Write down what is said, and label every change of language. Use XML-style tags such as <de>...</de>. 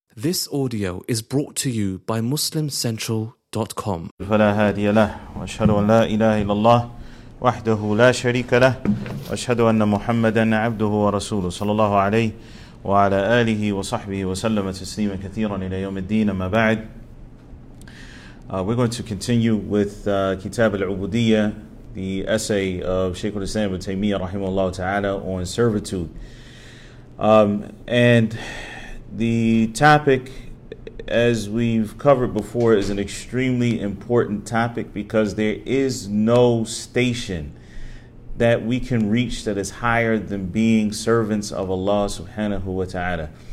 <en>This audio is brought to you by MuslimCentral.com.</en> <ar>فلا هادي له وأشهد أن لا إله إلا الله وحده لا شريك له وأشهد أن محمدا عبده ورسوله صلى الله عليه وعلى آله وصحبه وسلم تسليما كثيرا إلى يوم الدين أما بعد.</ar> <en>We're going to continue with كتاب العبودية, the essay of Shaykh al-Islam ibn Taymiyyah</en> <ar>رحمه الله تعالى</ar> <en>on servitude. And the topic, as we've covered before, is an extremely important topic because there is no station that we can reach that is higher than being servants of Allah subhanahu wa ta'ala.</en>